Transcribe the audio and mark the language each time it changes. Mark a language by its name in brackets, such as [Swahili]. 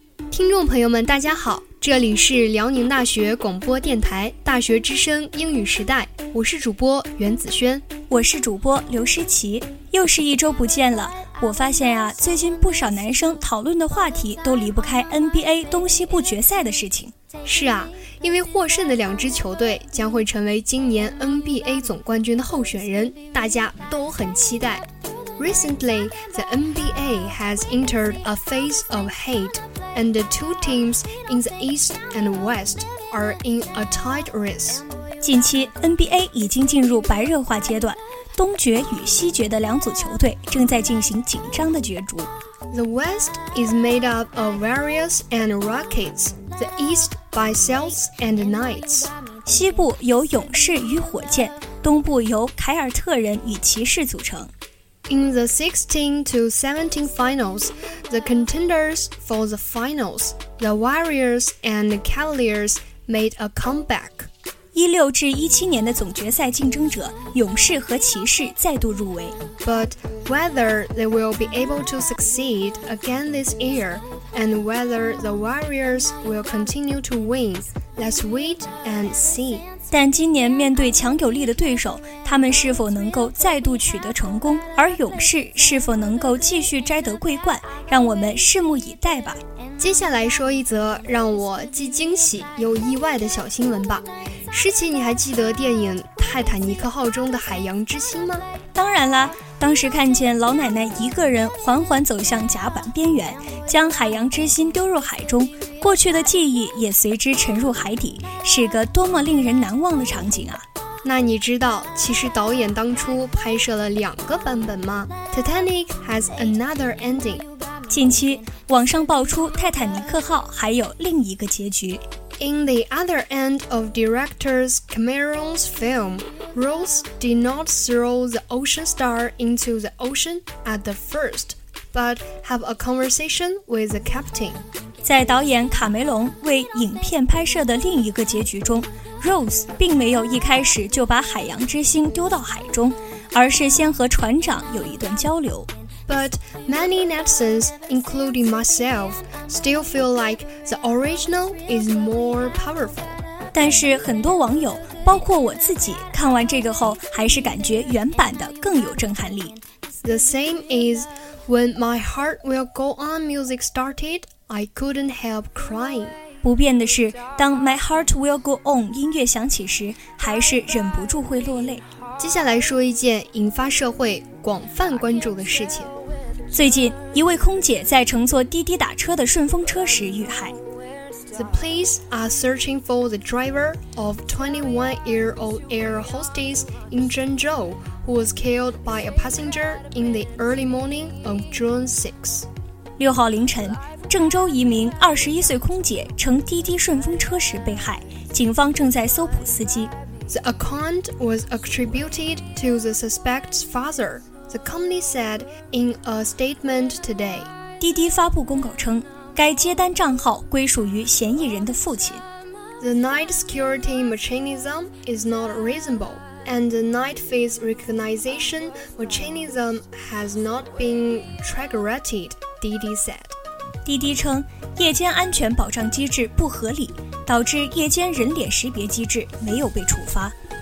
[Chinese] 听众朋友们大家好这里是辽宁大学广播电台大学之声英语时代我是主播袁子轩我是主播刘诗琪又是一周不见了我发现啊最近不少男生讨论的话题都离不开 NBA 东西部决赛的事情是啊因为获胜的两支球队将会成为今年 NBA 总冠军的候选人大家都很期待 [English] Recently, the NBA has entered a phase of hateAnd the two teams in the East and West are in a tight race. [Chinese] 近期 NBA 已经进入白热化阶段，东决与西决的两组球队正在进行紧张的角逐。 [English] The West is made up of Warriors and Rockets, the East by Celtics and Knights. [Chinese] 西部由勇士与火箭，东部由凯尔特人与骑士组成。 [English] In the 16 to 17 finals, the contenders for the finals, the Warriors and the Cavaliers, made a comeback. [Chinese] 16至17年的总决赛竞争者勇士和骑士再度入围。 [English] But whether they will be able to succeed again this year, and whether the Warriors will continue to win, let's wait and see. [Chinese] 但今年面对强有力的对手，他们是否能够再度取得成功，而勇士是否能够继续摘得桂冠，让我们拭目以待吧。接下来说一则让我既惊喜又意外的小新闻吧。诗琪，你还记得电影《泰坦尼克号》中的海洋之心吗？当然啦，当时看见老奶奶一个人缓缓走向甲板边缘，将海洋之心丢入海中，过去的记忆也随之沉入海底，是个多么令人难忘的场景啊。那你知道其实导演当初拍摄了两个版本吗？ [English] Titanic has another ending. [Chinese] 近期网上爆出泰坦尼克号还有另一个结局。 [English] In the other end of director Cameron's film, Rose did not throw the ocean star into the ocean at the first, but have a conversation with the captain. [Chinese] 在导演卡梅隆为影片拍摄的另一个结局中 Rose 并没有一开始就把海洋之心丢到海中而是先和船长有一段交流 [English] But many netizens, including myself, still feel like the original is more powerful [Chinese] 但是很多网友包括我自己看完这个后还是感觉原版的更有震撼力 [English] The same is when my heart will go on music startedI couldn't help crying. [Chinese] 不变的是，当 My Heart Will Go On 音乐响起时，还是忍不住会落泪。接下来说一件引发社会广泛关注的事情。最近，一位空姐在乘坐滴滴打车的顺风车时遇害。 [English] The police are searching for the driver of 21-year-old air hostess in Zhengzhou, who was killed by a passenger in the early morning of June 6. [Chinese] 6号凌晨郑州一名21岁空姐乘滴滴顺风车时被害，警方正在搜捕司机。 [English] The account was attributed to the suspect's father, the company said in a statement today. [Chinese] 滴滴发布公告称，该接单账号归属于嫌疑人的父亲。 [English] The night security mechanism is not reasonable, and the night face recognition mechanism has not been triggered,滴滴 said. [Chinese] 滴滴称夜间安全保障机制不合理导致夜间人脸识别机制没有被触发